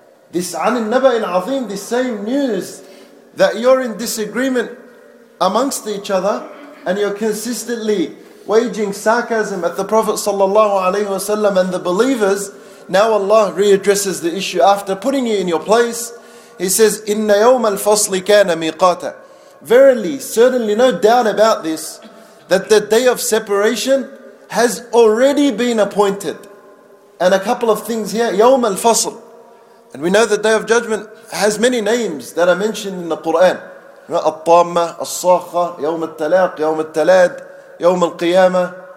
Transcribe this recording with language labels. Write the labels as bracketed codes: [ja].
[en] This [ar] عن النبأ العظيم, [en] this same news that you're in disagreement amongst each other and you're consistently waging sarcasm at the Prophet sallallahu alaihi wasallam and the believers, now Allah readdresses the issue after putting you in your place. He says, [ar] إِنَّ يَوْمَ الْفَصْلِ كَانَ مِيقَاتًا. [en] Verily, certainly no doubt about this, that the day of separation has already been appointed. And a couple of things here, [ar] يَوْمَ الْفَصْلِ. [en] And we know the Day of Judgment has many names that are mentioned in the Quran. At-Tammah, As-Sakha, Yawm At-Talaq, Yawm At-Talad, Yawm Al-Qiyamah,